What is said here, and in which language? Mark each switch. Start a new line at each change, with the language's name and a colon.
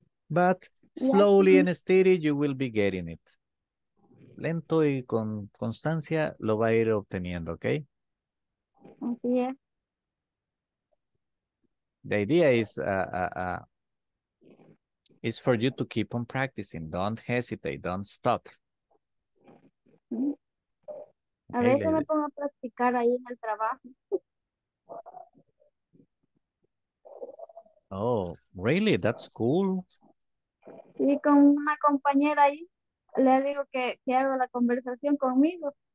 English: But slowly and steady, you will be getting it.
Spanish: Lento y con constancia, lo va a ir obteniendo, ¿ok? Así es.
English: The idea is, is for you to keep on practicing. Don't hesitate. Don't stop.
Spanish: A veces me pongo a practicar ahí en el trabajo.
English: Oh, really? That's cool.
Spanish: Sí, con una compañera ahí, le digo que hago la conversación conmigo.